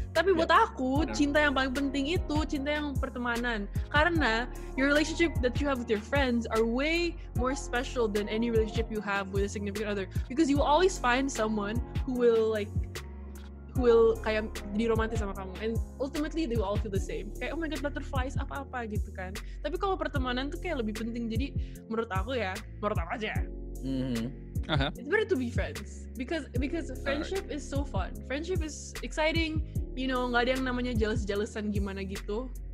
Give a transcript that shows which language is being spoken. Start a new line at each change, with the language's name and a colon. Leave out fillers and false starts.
Indonesian: Tapi buat aku, cinta yang paling penting itu cinta yang pertemanan.
English: Karena your relationship that you have with your friends are way more special than any relationship you have with a significant other. Because you will always find someone who will
Indonesian: kayak jadi romantis sama kamu.
English: And ultimately they will all feel the same.
Indonesian: Kayak
English: oh my god,
Indonesian: butterflies apa-apa gitu kan. Tapi kalau pertemanan tuh kayak lebih penting. Jadi menurut aku ya, menurut aku aja.
English: It's better to be friends because friendship is so fun. Friendship is exciting, you know.
Indonesian: Nggak ada yang namanya jealous-jealousan gimana gitu.